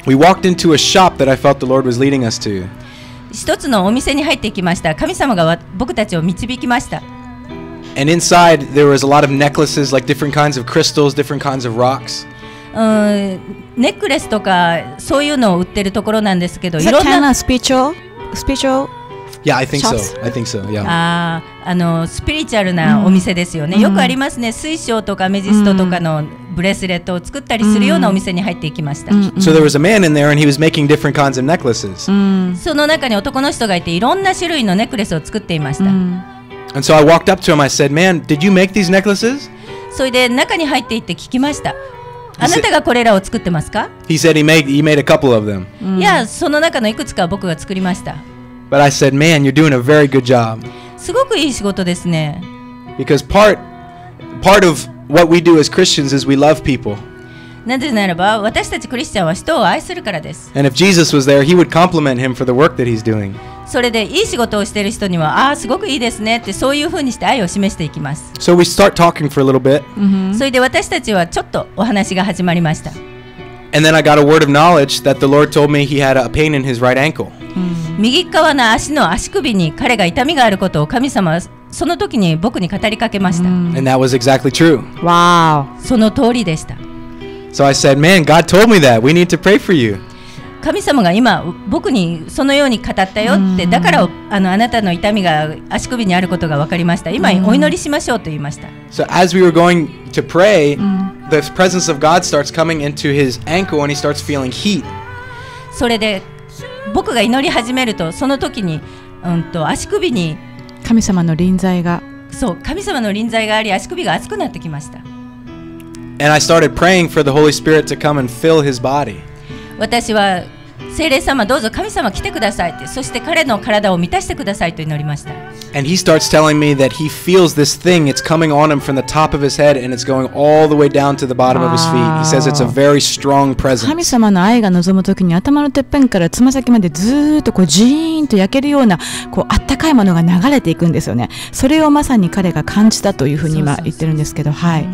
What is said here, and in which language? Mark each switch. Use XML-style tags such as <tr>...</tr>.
<en>We walked into a shop that I felt the Lord was leading us to.</en> <ja>一つのお店に入ってきました。神様が僕たちを導きました。</ja> <en>And inside there was a lot of necklaces, like different kinds of crystals, different kinds of rocks.</en> <ja>ネックレスとかそういうのを売ってるところなんですけど、いろんな。</ja> <en>Kind of spiritual, spiritual. Yeah, I think so. I think so. Yeah.</en> <ja>スピリチュアルなお店ですよね。よくありますね。水晶とかメジストとかの。ブレスレットを作ったりするようなお店に入っていきました。</ja> <en>So there was a man in there and he was making different kinds of necklaces.</en> <ja>その中に男の人がいていろんな種類のネックレスを作っていました。</ja> <en>And so I walked up to him. I said, "Man, did you make these necklaces?"</en> <ja>それで中に入っていって聞きました。あなたがこれらを作ってますか？</ja> <en>He said he made a couple of them.</en> <ja>いや、その中のいくつかは僕が作りました。</ja> <en>But I said, "Man, you're doing a very good job."</en> <ja>すごくいい仕事ですね。</ja> <en>Because part ofWhat we do as Christians is we love people.</en> <ja>なぜならば私たちクリスチャンは人を愛するからです。</ja> <en>And if Jesus was there, he would compliment him for the work that he's doing.</en> <ja>それでいい仕事をしている人には、ああすごくいいですねってそういうふうにして愛を示していきます。</ja> <en>So we start talking for a little bit.</en> <ja>それで私たちはちょっとお話が始まりました。</ja> <en>And then I got a word of knowledge that the Lord told me he had a pain in his right ankle.</en> <ja>右側の足の足首に彼が痛みがあることを神様はその時に僕に語りかけました。</ja> <en>And that was exactly true. Wow.</en> <ja>その通りでした。</ja> <en>So I said, man, God told me that. We need to pray for you.</en> <ja>神様が今僕にそのように語ったよって、だから あなたの痛みが足首にあることが分かりました。今お祈りしましょうと言いました。</ja> <en>So as we were going to pray, the presence of God starts coming into his ankle and he starts feeling heat.</en> <ja>それで僕が祈り始めるとその時に、足首に神様の臨在が、そう、神様の臨在があり足首が熱くなってきました。</ja> <en>And I started praying for the Holy Spirit to come and fill his body.</en> <ja>私は聖霊様どうぞ神様来てくださいって、そして彼の体を満たしてくださいと祈りました。</ja> <en>And he starts telling me that he feels this thing. It's coming on him from the top of his head and it's going all the way down to the bottom of his feet. He says it's a very strong presence.</en> <ja>神様の愛が望むときに頭のてっぺんからつま先までずっとこうジーンと焼けるようなこうあったかいものが流れていくんですよね。それをまさに彼が感じたというふうに今言ってるんですけど、はい。</ja>